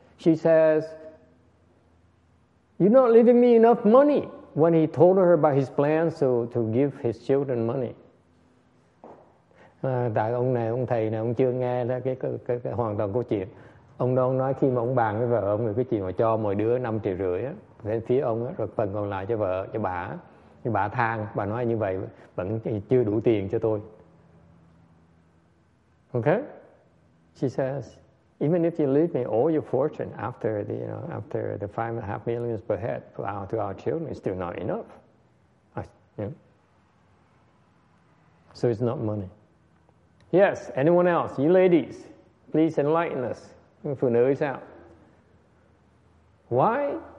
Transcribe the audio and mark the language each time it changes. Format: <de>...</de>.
<en>She says, "You're not leaving me enough money." When he told her about his plans to give his children money.</en> <vi>Tại ông này, ông thầy này, ông chưa nghe cái hoàn toàn câu chuyện. Ông đó nói khi mà ông bàn với vợ ông, cái chuyện mà cho mỗi đứa 5 triệu rưỡi á, đến phía ông á, rồi phần còn lại cho vợ, cho bà. Nhưng bà than, bà nói như vậy, vẫn chưa đủ tiền cho tôi.</vi> <en>Okay? She says, even if you leave me all your fortune after the, you know, after the 5.5 million per head to our children, it's still not enough. So it's not money. Yes, anyone else? You ladies, please enlighten us.</en> <vi>Phụ nữ sao?</vi> <en>Why?</en>